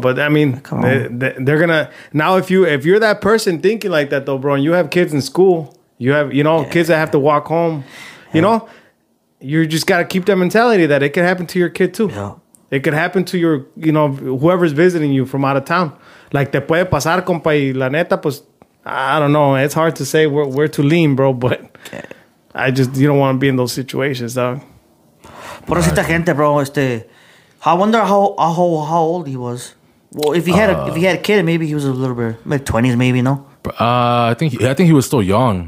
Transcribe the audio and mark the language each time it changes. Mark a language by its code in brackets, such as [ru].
[en] But I mean, they're gonna now if you're that person thinking like that though, bro, and you have kids in school, you have kids that have to walk home, you know, you just gotta keep that mentality that it could happen to your kid too. Yeah. It could happen to your whoever's visiting you from out of town. [es] Like te puede pasar, compa, y la neta, pues. [en] I don't know. It's hard to say. We're too lean, bro. But I just you don't want to be in those situations, dog. [es] Por eso esta gente, [en] bro. I wonder how old he was. Well, if he had a kid, maybe he was a little bit mid 20s, maybe no. I think he was still young.